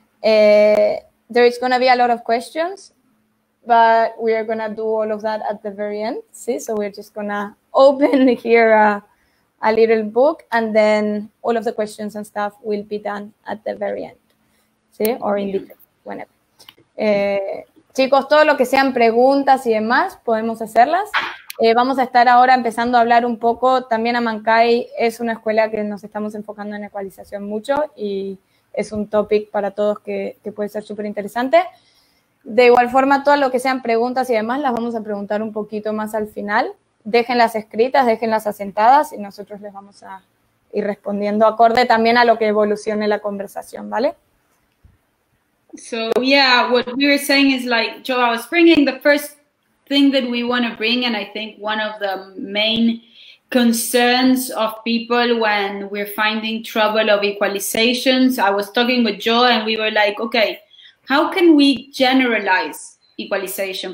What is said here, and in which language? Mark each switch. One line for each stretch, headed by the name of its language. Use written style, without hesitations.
English: There is going to be a lot of questions, but we are going to do all of that at the very end. See, so we're just going to open here a little book, and then all of the questions and stuff will be done at the very end. See, or in detail, whenever.
Spanish: Chicos, todo lo que sean preguntas y demás, podemos hacerlas. Vamos a estar ahora empezando a hablar un poco. También Amancay es una escuela que nos estamos enfocando en ecualización mucho y es un topic para todos que puede ser súper interesante. De igual forma, todo lo que sean preguntas y demás, las vamos a preguntar un poquito más al final. Déjenlas escritas, déjenlas asentadas y nosotros les vamos a ir respondiendo acorde también a lo que evolucione la conversación, ¿vale?
English: So, yeah, what we were saying is like, Joe, I was bringing the first thing that we want to bring, and I think one of the main concerns of people when we're finding trouble of equalizations. I was talking with Joe and we were like, okay, how can we generalize equalization?